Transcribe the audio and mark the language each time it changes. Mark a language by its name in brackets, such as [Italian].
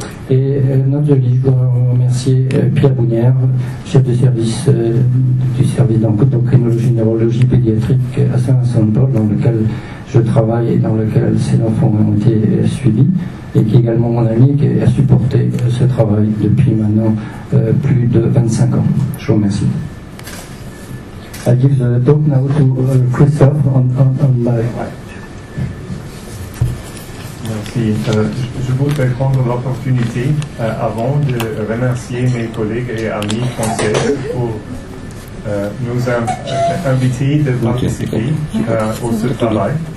[French] Et notre jolie, je voudrais remercier Pierre Bounière, chef de service du service d'endocrinologie neurologie pédiatrique à Saint-Vincent-de-Paul, dans lequel je travaille et dans lequel ces enfants ont été suivis, et qui est également mon ami qui a supporté ce travail depuis maintenant plus de 25 ans. Je vous remercie. [English] I give the talk now to Christophe on my right. [French] Merci. Je voudrais prendre l'opportunité avant de remercier mes collègues et amis français pour nous inviter de participer au ce travail.